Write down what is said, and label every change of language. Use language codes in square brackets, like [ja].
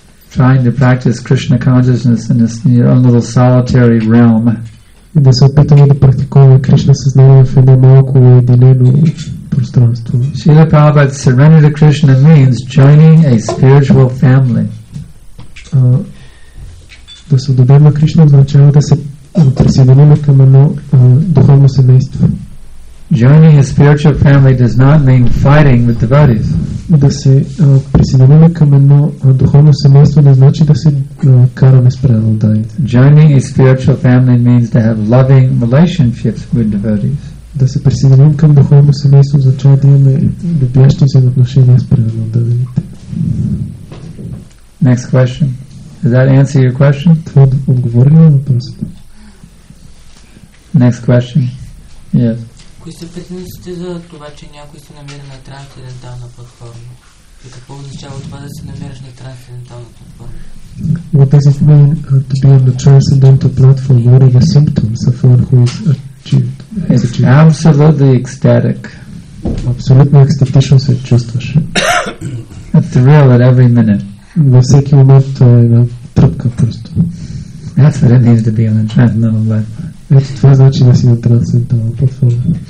[en] Trying to practice Krishna consciousness in this, in your own little solitary realm. [bg] И да се опитаме да практикуваме Кришна съзнание в едно малко уединено пространство. [en] Шрила Прабхупада, surrender to Krishna means joining a spiritual family. [bg] Да се отдадем на Кришна означава да се присъединим към едно духовно семейство. [en] Joining a spiritual family does not mean fighting with devotees. [bg] Да се присъединим към едно духовно семейство не значи да се караме с преданодарите. [en] Joining a spiritual family means to have loving relationships with devotees. [bg] Да се присъединим към духовно семейство означава да имаме любящи взаимоотношения с преданодарите. [en] Next question. Does that answer your question? [bg] Това отговори на въпроса. [en] Next question. Yes. [bg] Кои са причините за това, че някой се намира на трансцендентална платформа? И какво означава това да се намираш на трансцендентална платформа? [en] What does it mean to be on the transcendental platform? What are the symptoms of one who is achieved? It's absolutely ecstatic. [bg] Абсолютно екстатично се чувстваш. [en] A thrill at every minute. [bg] Във всеки момент е една тръпка просто. [en] That's what it means to be on the transcendental platform. [bg] Ето това значи да си на трансцендентална платформа.